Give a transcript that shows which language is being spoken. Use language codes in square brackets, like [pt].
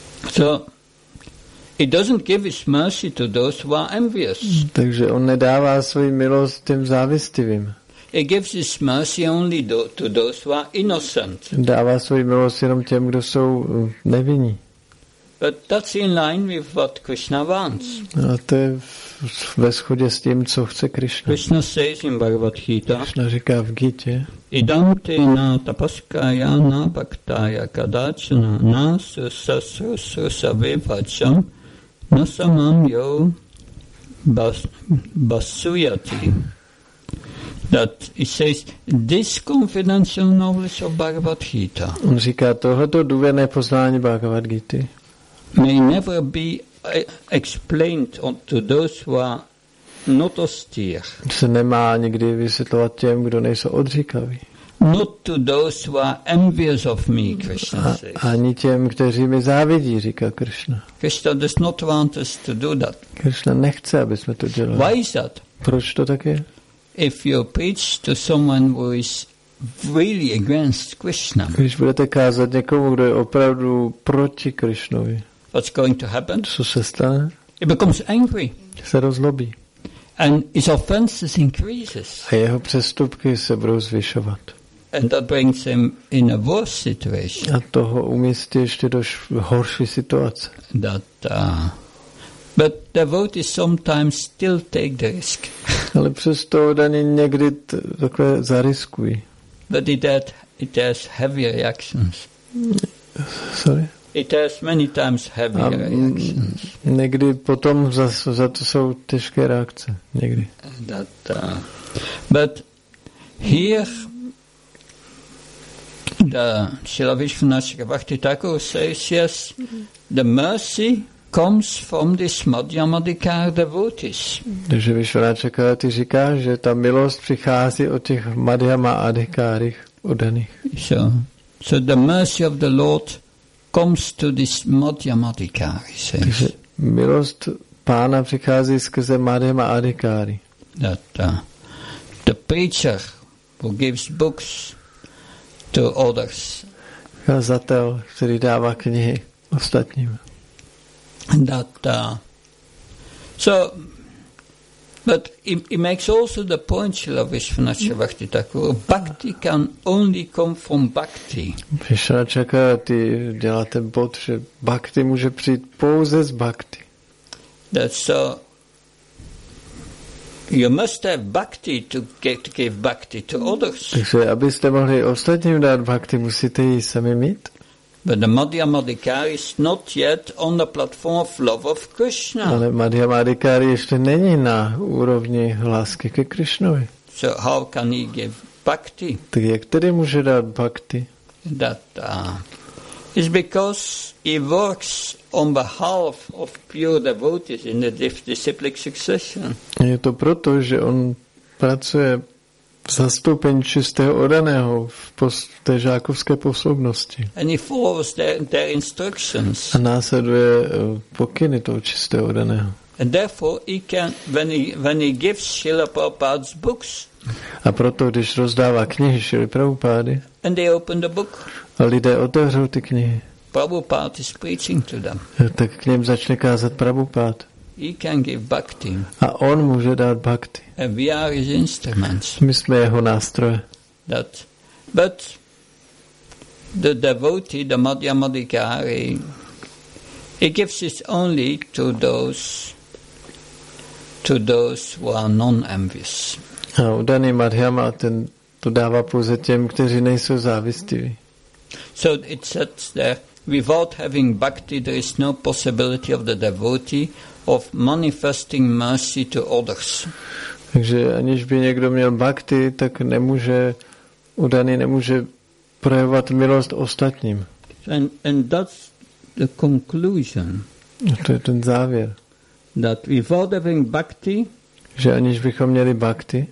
[en] So he doesn't give his mercy to those who are envious. [cs] Takže on nedává svoji milost těm závistivým. [en] He gives his mercy only to those who are innocent. [cs] Dává svoji milost jenom těm, kdo jsou nevinní. [en] But that's in line with what Krishna wants. [cs] A to je ve shodě s tím, co chce Krishna. [en] Krishna says in Bhagavad Gita. [cs] Krishna říká v Gita. [sa] Idam te na tapaskaya na bhaktaya kadachana na sasrasra savivacham na samam yo basuyati. [en] That he says this confidential knowledge of Bhagavad Gita. [cs] On říká tohleto důvěrné poznání Bhagavad Gita. [en] May never be explained to those who are not austere. [cs] Se nemá nikdy vysvětlovat těm, kdo nejsou odříkaví. [en] Not to those who are envious of me, Krishna says. [cs] Ani těm, kteří mi závidí, říká Krishna. [en] Krishna does not want us to do that. [cs] Krishna nechce, aby jsme to dělali. [en] Why is that? [cs] Proč to tak je? [en] If you preach to someone who is really against Krishna. [cs] Když budete kázat někomu, kdo je opravdu proti Krishnovi. [en] What's going to happen? [cs] Co se stane? [en] He becomes angry. [cs] Se rozlobí. [en] And his offenses increases. [cs] A jeho přestupky se budou zvyšovat. [en] And that brings him in a worse situation. [cs] A toho umístí ještě do horší situace. [en] That, but devotees sometimes still take the risk. [cs] Ale přesto oni někdy takhle zariskují. [en] But it has heavy reactions. Sorry? It has many times heavy reactions. [cs] Někdy potom za to jsou těžké reakce. Někdy. [en] That, but here the Srila Vishnu Bhakti Thakur says, yes, the mercy comes from this Madhyamadikar devotees. [cs] Takže Vishnu Chakravarti říká, že ta milost přichází od těch Madhyama Adhikárych udaných. [en] So the mercy of the Lord comes to this Madhyamadikar, he says. [cs] Takže milost pána přichází skrze Madhyama Adhikáry. [en] That the preacher who gives books to others. [cs] Kazatel, který dává knihy ostatním. [en] That but he makes also the point Srila Vishwanatha Chakravarti Thakur, bhakti can only come from bhakti. [cs] Vishwanatha Chakravarti dělá ten bod, že bhakti může přijít pouze z bhakti. [en] That's so you must have bhakti to give bhakti to others. [cs] Takže abyste mohli ostatním dát bhakti, musíte ji sami mít. [en] But the Madhyamadikar is not yet on the platform of love of Krishna. [cs] Ale Madhyamadikar ještě není na úrovni lásky ke Krishnovi. [en] So how can he give bhakti? [cs] Tak jak tedy může dát bhakti? [en] That is because he works on behalf of pure devotees in the disciplic succession. [cs] Je to proto, že on pracuje v zastoupení čistého odaného v té žákovské posloubnosti. [en] And he follows their instructions. [cs] A následuje pokyny toho čistého odaného. [en] And therefore he can, when he gives Srila Prabhupada's books. [cs] A proto, když rozdává knihy Srila Prabhupády. [en] And they open the book. [cs] A lidé otevřou ty knihy. [en] Prabhupada is preaching to them. [cs] Tak k ním začne kázat Prabhupada. [en] He can give bhakti. [cs] A on může dát bhakti. [en] And we are his instruments. [cs] My jsme jeho nástroje. [en] That, but the devotee, the Madhyamadikari, he gives it only to those who are non-envious. [cs] A udaný Madhyama, ten to dává pouze těm, kteří nejsou závistiví. [en] So it says there, without having bhakti, there is no possibility of the devotee of manifesting mercy to others. [cs] Takže aniž by někdo měl bhakti, tak nemůže udaný nemůže projevovat milost ostatním. [en] And that's the conclusion. [cs] A to je ten závěr. [en] That without having bhakti, [cs] že aniž bychom měli bhakti,